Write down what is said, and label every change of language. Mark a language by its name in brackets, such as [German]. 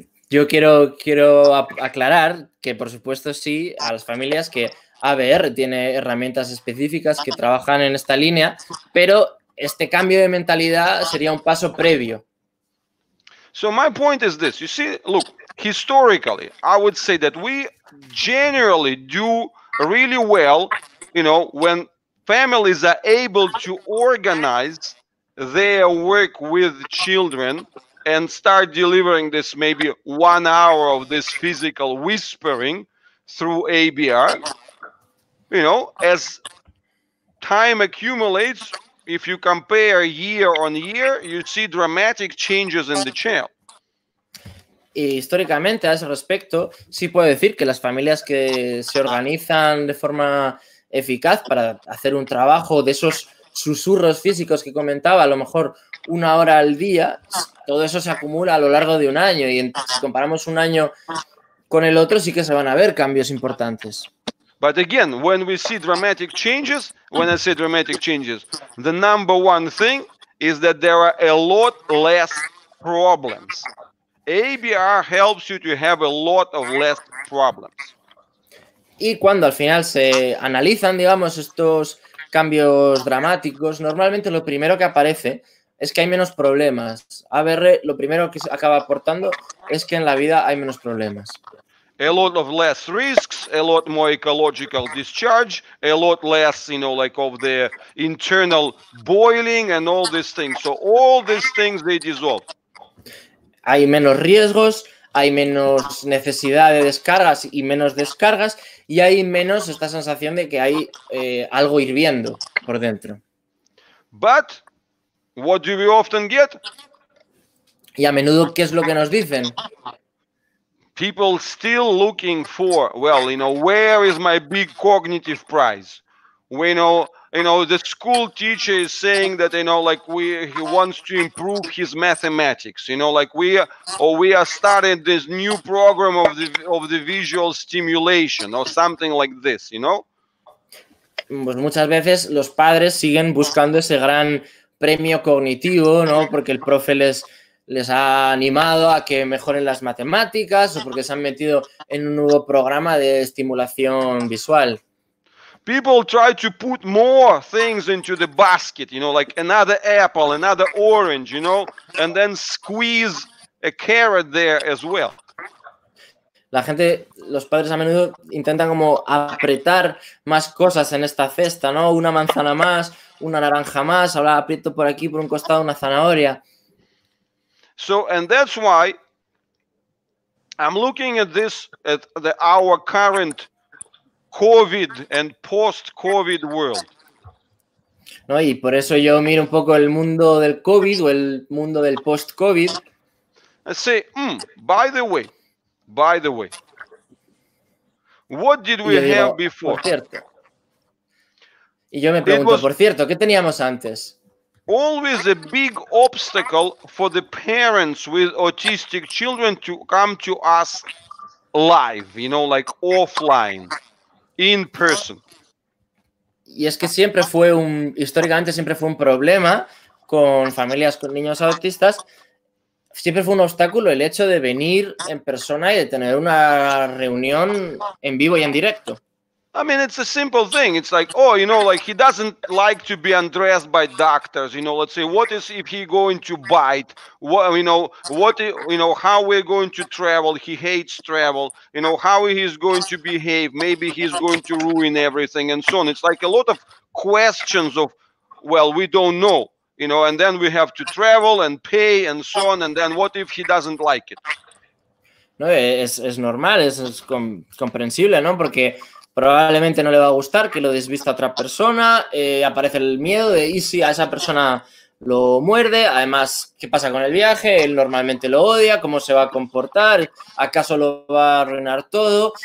[Spanish] Yo quiero aclarar que, por supuesto, sí, a las familias que ABR tiene herramientas específicas que trabajan en esta línea, pero este cambio de mentalidad sería un paso previo. [English] So my point is this. You see, look, historically, I would say that we generally do really well, you know, when families are able to organize their work with children and start delivering this maybe 1 hour of this physical whispering through ABR. You know, as time accumulates, if you compare year on year, you see dramatic changes in the child. [Spanish] Históricamente, a ese respecto, sí puedo decir que las familias que se organizan de forma eficaz para hacer un trabajo de esos susurros físicos que comentaba, a lo mejor una hora al día, todo eso se acumula a lo largo de un año, y si comparamos un año con el otro, sí que se van a ver cambios importantes. [English] But again, when we see dramatic changes, when I say dramatic changes, the number one thing is that there are a lot less problems. ABR helps you to have a lot of less problems. [Spanish] Y cuando al final se analizan, digamos, estos cambios dramáticos, normalmente lo primero que aparece es que hay menos problemas. ABR, lo primero que acaba aportando es que en la vida hay menos problemas. [English] A lot of less risks, a lot more ecological discharge, a lot less, you know, like of the internal boiling and all these things. So all these things, they dissolve. [Spanish] Hay menos riesgos, hay menos necesidad de descargas y menos descargas, y hay menos esta sensación de que hay algo hirviendo por dentro. [English] But what do we often get? [Spanish] Y a menudo, ¿qué es lo que nos dicen? [English] People still looking for, well, you know, where is my big cognitive prize? We know, you know, the school teacher is saying that, you know, like he wants to improve his mathematics, you know, like we are starting this new program of the visual stimulation or something like this, you know? [Spanish] Pues muchas veces los padres siguen buscando ese gran premio cognitivo, ¿no? Porque el profe les ha animado a que mejoren las matemáticas o porque se han metido en un nuevo programa de estimulación visual. [English] People try to put more things into the basket, you know, like another apple, another orange, you know, and then squeeze a carrot there as well. [Spanish] La gente, los padres a menudo intentan como apretar más cosas en esta cesta, ¿no? Una manzana más, una naranja más, ahora aprieto por aquí, por un costado, una zanahoria. [English] So, and that's why I'm looking at this, at the, our current COVID and post-COVID world. [Spanish] No, y por eso yo miro un poco el mundo del COVID o el mundo del post-COVID. [English] I say, by the way, what did we have before? [Spanish] Por cierto. Y yo me pregunto, por cierto, ¿qué teníamos antes? [English] Always a big obstacle for the parents with autistic children to come to us live, you know, like offline, in person. [Spanish] Y es que siempre fue un, históricamente siempre fue un problema con familias con niños autistas. Siempre fue un obstáculo el hecho de venir en persona y de tener una reunión en vivo y en directo. [English] I mean, it's a simple thing. It's like, oh, you know, like he doesn't like to be undressed by doctors. You know, let's say, what is if he going to bite? What, you know, what, you know, how we're going to travel? He hates travel. You know, how he's going to behave? Maybe he's going to ruin everything and so on. It's like a lot of questions of, well, we don't know, you know, and then we have to travel and pay and so on. And then what if he doesn't like it? [Spanish] No, es normal, es comprensible, ¿no? Porque probablemente no le va a gustar que lo desvista otra persona, aparece el miedo de, y si a esa persona lo muerde, además, ¿qué pasa con el viaje? Él normalmente lo odia, ¿cómo se va a comportar? ¿Acaso lo va a arruinar todo?